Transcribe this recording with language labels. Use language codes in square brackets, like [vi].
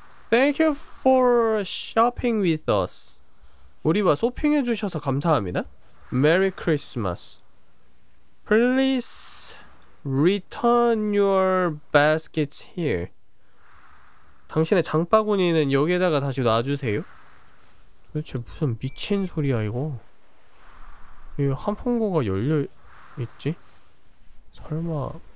[en] Thank you for shopping with us. [ko] 우리와 쇼핑해주셔서 감사합니다. [en] Merry Christmas. Please return your baskets here. [ko] 당신의 장바구니는 여기에다가 다시 놔주세요. 도대체 무슨 미친 소리야 이거. 이 한풍구가 열려있지? 설마...